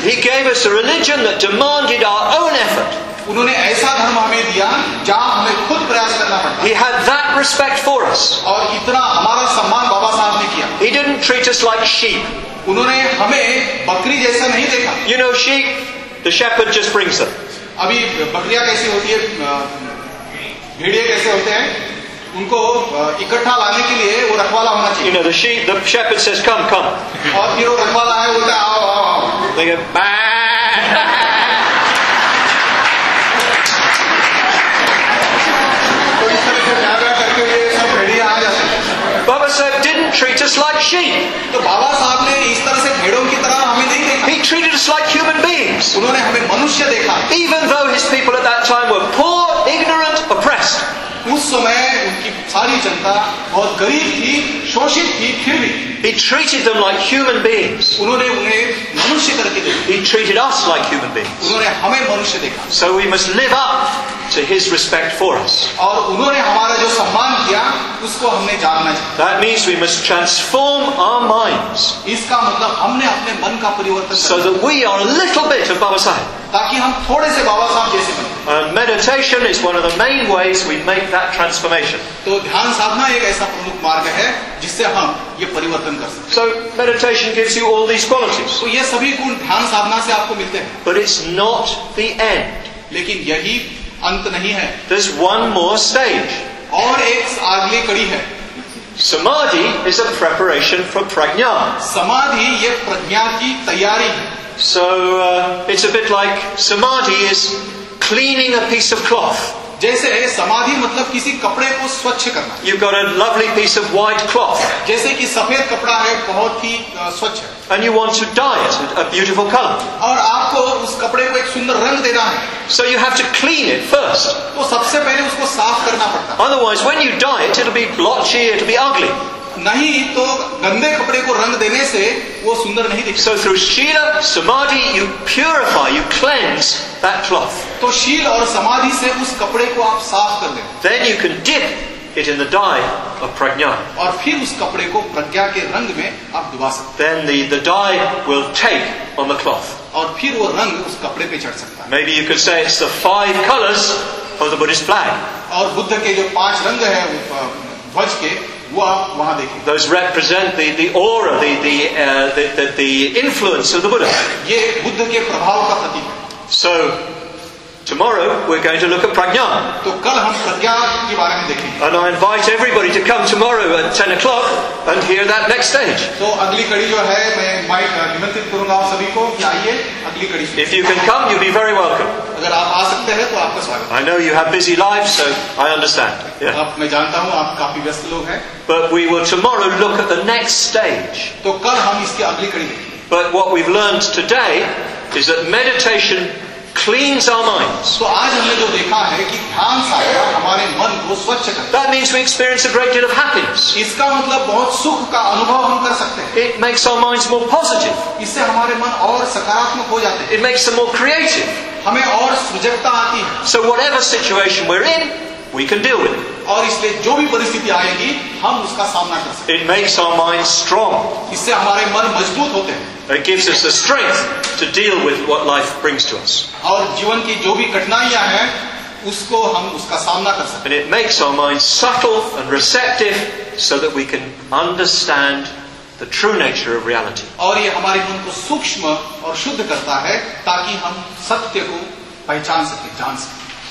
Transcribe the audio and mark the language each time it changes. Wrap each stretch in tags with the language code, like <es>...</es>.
<en>He gave us a religion that demanded our own effort.</en> <hi>उन्होंने ऐसा धर्म हमें दिया जहाँ हमें खुद प्रयास करना पड़ता.</hi> <en>He had that respect for us.</en> <hi>और इतना हमारा सम्मान बाबा साहब ने किया.</hi> <en>He didn't treat us like sheep.</en> <hi>उन्होंने हमें बकरी जैसा नहीं देखा.</hi> <en>You know, sheep, the shepherd just brings them.</en> <hi>अभी बकरियाँ कैसी होती है, भेड़िये कैसे होते हैं, उनको इकट्ठा लाने के लिए वो रखवाला होना चाहिए.</hi> <en>You know, the shepherd says, "Come, come."</en> <hi>और फिर वो रखवाला है, बोलता है, "आओ, आओ, आओ."</hi> <en>They go, "Baa."</en> <hi>तो इस तरह से जागा करके ये सब भेड़िए आ जाते हैं.</hi> <en>Baba Sahib didn't treat us like sheep.</en> <hi>तो बाबा साहब ने इस तरह से भेड़ों की तरह हमें नहीं देखा.</hi> <en>He treated us like human beings.</en> <hi>उन्होंने हमें मनुष्य देखा.</hi> <en>Even though his people at that time were poor, ignorant, oppressed.</en> <hi>उस समय उनकी सारी जनता बहुत गरीब थी, शोषित थी, फिर भी</hi> <en>He treated them like human beings.</en> <hi>उन्होंने उन्हें मनुष्य करके देखा.</hi> <en>He treated us like human beings.</en> <hi>उन्होंने हमें मनुष्य देखा.</hi> <en>So we must live up to his respect for us.</en> <hi>और उन्होंने हमारा जो सम्मान किया उसको हमने जानना चाहिए.</hi> <en>That means we must transform our minds.</en> <hi>इसका मतलब हमने अपने मन का परिवर्तन करना.</hi> <en>So that we are a little bit of Baba Sahib.</en> <hi>ताकि हम थोड़े से बाबा साहब जैसे बने.</hi> <en>Meditation is one of the main ways we make that transformation.</en> <hi>तो ध्यान साधना एक ऐसा प्रमुख मार्ग है जिससे हम ये परिवर्तन कर सकते.</hi> <en>So meditation gives you all these qualities.</en> <hi>तो ये सभी गुण ध्यान साधना से आपको मिलते हैं.</hi> <en>But it's not the end.</en> <hi>लेकिन यही अंत नहीं है.</hi> <en>There's one more stage.</en> <hi>और एक अगली कड़ी है.</hi> <en>Samadhi is a preparation for prajna.</en> <hi>Samadhi ये प्रज्ञा की तैयारी है.</hi> <en>So it's a bit like samadhi is cleaning a piece of cloth.</en> <hi>जैसे समाधि मतलब किसी कपड़े को स्वच्छ करना.</hi> <en>You've got a lovely piece of white cloth.</en> <hi>जैसे कि सफेद कपड़ा है बहुत ही स्वच्छ.</hi> <en>And you want to dye it with a beautiful color.</en> <hi>और आपको उस कपड़े को एक सुंदर रंग देना है.</hi> <en>So you have to clean it first.</en> <hi>तो सबसे पहले उसको साफ करना पड़ता.</hi> <en>Otherwise, when you dye it, it'll be blotchy, it'll be ugly.</en> <hi>नहीं तो गंदे कपड़े को रंग देने से वो सुंदर नहीं दिखता.</hi> <en>So through sheela, samadhi, you purify, you cleanse that cloth.</en> <hi>तो शील और समाधि से उस कपड़े को आप साफ कर दें.</hi> <en>Then you can dip it in the dye of prajna.</en> <hi>और फिर उस कपड़े को प्रज्ञा के रंग में आप डुबा सकते.</hi> <en>Then the dye will take on the cloth.</en> <hi>और फिर वो रंग उस कपड़े पे चढ़ सकता है.</hi> <en>Maybe you could say it's the five colors of the Buddhist flag.</en> <hi>और बुद्ध के जो पांच रंग है ध्वज के वो आप वहां देखें.</hi> <en>Those represent the aura, the influence of the Buddha.</en> <hi>ये बुद्ध के प्रभाव का प्रतीक.</hi> <en>So tomorrow we're going to look at prajna.</en> <hi>तो कल हम प्रज्ञा के बारे में देखेंगे.</hi> <en>And I invite everybody to come tomorrow at 10 o'clock and hear that next stage.</en> <hi>तो अगली कड़ी जो है मैं निमंत्रित करूंगा आप सभी को कि आइए अगली कड़ी.</hi> <en>If you can come, you'll be very welcome.</en> <hi>अगर आप आ सकते हैं तो आपका स्वागत.</hi> <en>I know you have busy lives, so I understand.</en> <hi>आप मैं जानता हूँ आप काफी व्यस्त लोग हैं.</hi> <en>But we will tomorrow look at the next stage.</en> <hi>तो कल हम इसकी अगली कड़ी देखेंगे.</hi> <en>But what we've learned today is that meditation cleans our minds.</en> <hi>So आज हमने जो देखा है कि ध्यान साधना हमारे मन को स्वच्छ करता है.</hi> <en>That means we experience a great deal of happiness.</en> <hi>इसका मतलब बहुत सुख का अनुभव हम कर सकते हैं.</hi> <en>It makes our minds more positive.</en> <hi>इससे हमारे मन और सकारात्मक हो जाते हैं.</hi> <en>It makes them more creative.</en> <hi>हमें और सृजकता आती है.</hi> <en>So whatever situation we're in, we can deal with it.</en> <hi>और इसलिए जो भी परिस्थिति आएगी हम उसका सामना कर सकते.</hi> <en>It makes our mind strong.</en> <hi>इससे हमारे मन मजबूत होते हैं.</hi> <en>It gives us the strength to deal with what life brings to us.</en> <hi>और जीवन की जो भी कठिनाइयां हैं उसको हम उसका सामना कर सकते.</hi> <en>And it makes our mind subtle and receptive so that we can understand the true nature of reality.</en> <hi>और ये हमारे मन को सूक्ष्म और शुद्ध करता है ताकि हम सत्य को पहचान सके जान सके.</hi>